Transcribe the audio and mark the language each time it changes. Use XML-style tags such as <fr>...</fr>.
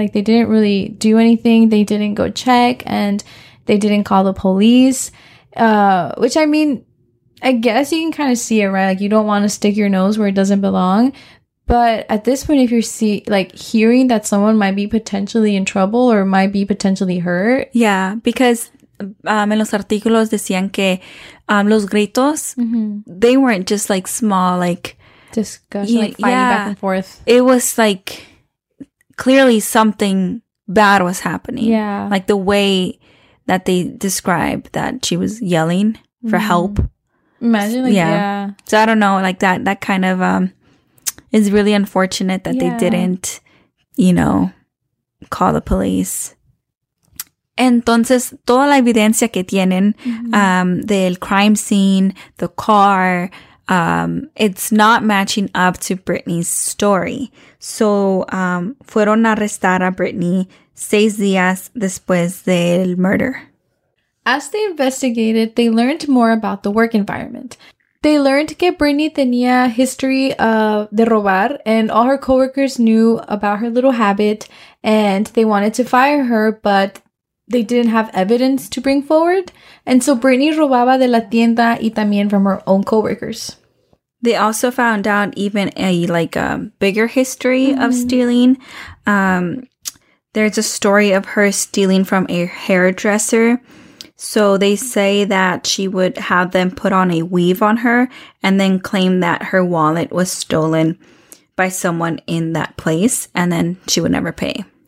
<en>Like, they didn't really do anything. They didn't go check and they didn't call the police, which, I mean, I guess you can kind of see it, right? Like, you don't want to stick your nose where it doesn't belong. But at this point, if you're hearing that someone might be potentially in trouble or might be potentially hurt. Yeah, because en los artículos decían que los gritos, they weren't just, like, small, like, discussion, like, fighting back and forth. It was, like, clearly something bad was happening. Yeah. Like, the way that they described that she was yelling for help. Imagine, like, So I don't know, like, that kind of is really unfortunate that they didn't, you know, call the police.</en> <es>Entonces, toda la evidencia que tienen, del</es> <en>crime scene, the car, it's not matching up to Britney's story.</en> <es>So, fueron a arrestar a Britney 6 días después del murder.</es> <en>As they investigated, they learned more about the work environment. They learned</en> <es>que Brittany tenía history de robar,</es> <en>and all her coworkers knew about her little habit, and they wanted to fire her, but they didn't have evidence to bring forward. And so Brittany</en> <es>robaba de la tienda y también</es> <en>from her own coworkers. They also found out even a bigger history of stealing. There's a story of her stealing from a hairdresser. So they say that she would have them put on a weave on her and then claim that her wallet was stolen by someone in that place and then she would never pay.</en>